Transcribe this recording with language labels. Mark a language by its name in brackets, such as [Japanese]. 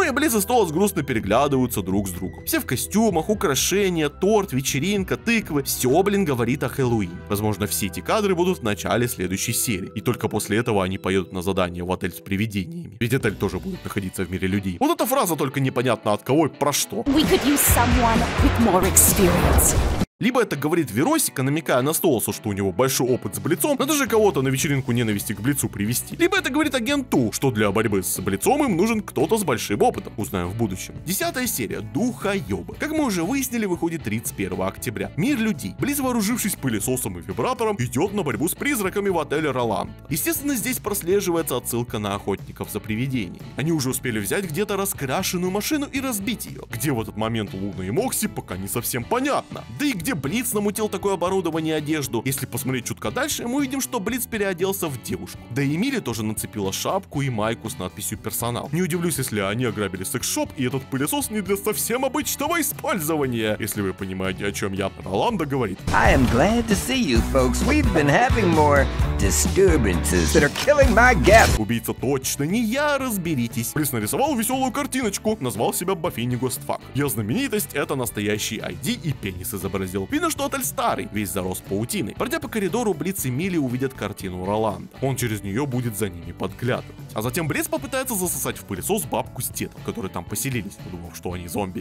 [Russian] Ну и Блиц и Столос грустно переглядываются друг с другом. Все в костюмах, украшения, торт, вечеринка, тыквы. Все, блин, говорит о Хэллоуин. Возможно, все эти кадры будут в начале следующей серии. И только после этого они поедут на задание в отель с привидениями. Ведь отель тоже будет находиться в мире людей. Вот эта фраза только непонятно от кого и про что. [English] We could use someone with more experience. [Russian] Либо это говорит Веросика, намекая на Столоса, что у него большой опыт с Блицом, надо же кого-то на вечеринку ненависти к Блицу привести. Либо это говорит агенту, что для борьбы с Блицом им нужен кто-то с большим опытом. Узнаем в будущем. 10-я серия «Духоёбы». Как мы уже выяснили, выходит 31 октября. Мир людей. Близ, вооружившись пылесосом и вибратором, идет на борьбу с призраками в отеле Роланд. Естественно, здесь прослеживается отсылка на охотников за привидениями. Они уже успели взять где-то раскрашенную машину и разбить ее. Где в этот момент Луна и Мокси, пока не совсем понятно. Да и где Блиц намутил такое оборудование и одежду. Если посмотреть чутка дальше, мы увидим, что Блиц переоделся в девушку. Да и Эмили тоже нацепила шапку и майку с надписью «Персонал». Не удивлюсь, если они ограбили секс-шоп, и этот пылесос не для совсем обычного использования. Если вы понимаете, о чем я. Роланда говорит. [English] I am glad to see you, folks. We've been having more disturbances that are killing my guests. [Russian] Убийца точно не я, разберитесь. Плюс нарисовал веселую картиночку, назвал себя Бафини Гостфак. Я знаменитость, это настоящий ID и пенис изобразил. Видно, что отель старый, весь зарос паутиной. Пройдя по коридору, Блиц и Милли увидят картину Роланда. Он через нее будет за ними подглядывать. А затем Блиц попытается засосать в пылесос бабку с дедом, которые там поселились, подумав, что они зомби.